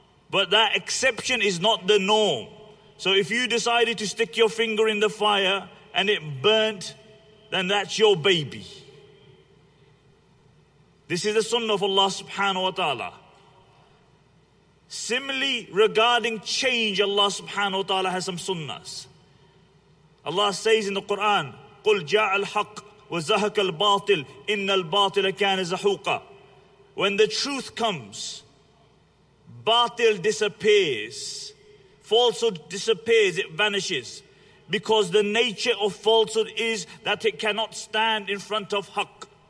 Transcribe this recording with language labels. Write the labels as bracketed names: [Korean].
[English] But that exception is not the norm. So if you decided to stick your finger in the fire and it burnt, then that's your baby. This is the sunnah of Allah subhanahu wa ta'ala. Similarly, regarding change, Allah subhanahu wa ta'ala has some sunnahs. Allah says in the Quran, [Arabic] قُلْ جَاءَ الْحَقِّ وَزَهَكَ الْبَاطِلِ إِنَّ الْبَاطِلَ كَانَ زَحُوقًا. [English] When the truth comes, batil disappears, falsehood disappears, it vanishes. Because the nature of falsehood is that it cannot stand in front of haqq.